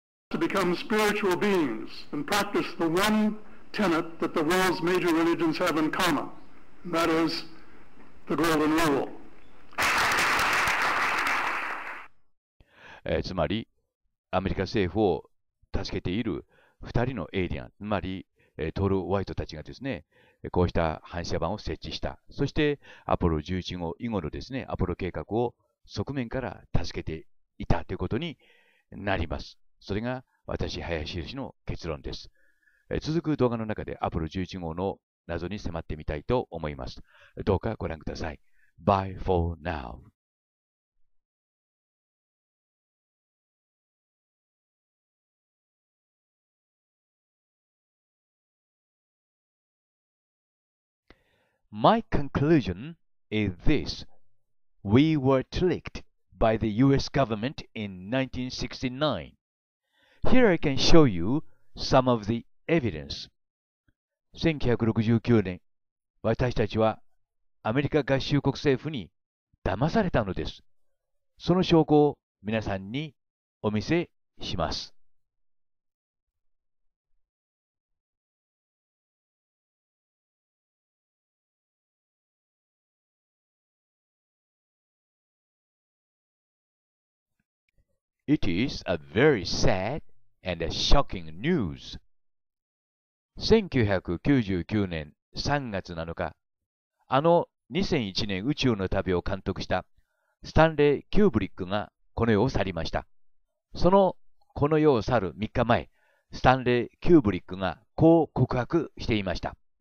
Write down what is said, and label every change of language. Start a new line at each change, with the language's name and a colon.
English: To become spiritual beings and practice the one tenet that the world's major religions have in common, and that is the golden rule.
Japanese: つまり、アメリカ政府を助けている2人のエイリアン、つまり、トール・ホワイトたちがですね、こうした反射板を設置した。そして、アポロ11号以後のですね、アポロ計画を側面から助けていたということになります。それが私、林氏の結論です。続く動画の中でアポロ11号の謎に迫ってみたいと思います。どうかご覧ください。
English: Bye for now. My conclusion is this. We were tricked by the US government in 1969. Here I can show you some of the evidence.
Japanese: 1969年、私たちはアメリカ合衆国政府に騙されたのです。その証拠を皆さんにお見せします。 It is a very sad and a shocking news. 1999年3月7日、あの2001年宇宙の旅を監督したスタンレー・キューブリックがこの世を去りました。そのこの世を去る3日前、スタンレー・キューブリックがこう告白していました。